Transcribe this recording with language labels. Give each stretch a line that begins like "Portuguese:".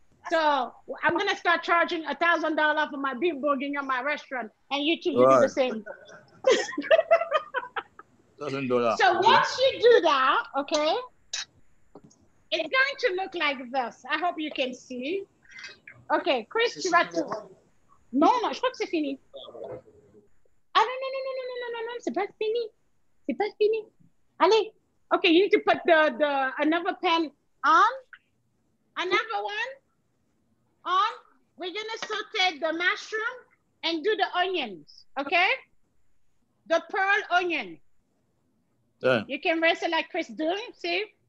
English: So I'm going to start charging $1,000 for my beef bourguignon in my restaurant, and you two will do the same. $1,000. So once you do that, okay? It's going to look like this. I hope you can see.
French: OK, Chris, tu vas tout. Non, non, je crois que c'est fini. Ah non, non, non, non, non, non, non, non, non, c'est pas fini. C'est pas fini. Allez.
English: OK, you need to put the another pan on. Another one on. We're going to saute the mushroom and do the onions, OK? The pearl onion. You can rinse it like Chris doing, see?